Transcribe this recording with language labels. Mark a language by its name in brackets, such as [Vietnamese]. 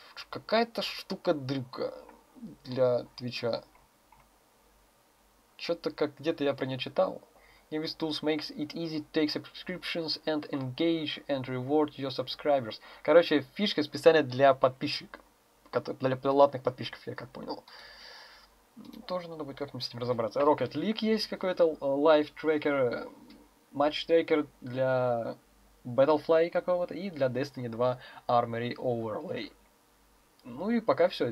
[Russian] Какая-то штука-дрюка для Твича. Что-то как где-то я про нее читал. [English] Games Tools makes it easy to take subscriptions and engage and reward your subscribers. [Russian] Короче, фишка специально для подписчиков. Для платных подписчиков, я как понял. Тоже надо будет как-нибудь с этим разобраться. Rocket League есть какой-то, Life Tracker, Match Tracker для Battlefly какого-то и для Destiny 2 Armory Overlay. Ну и пока все.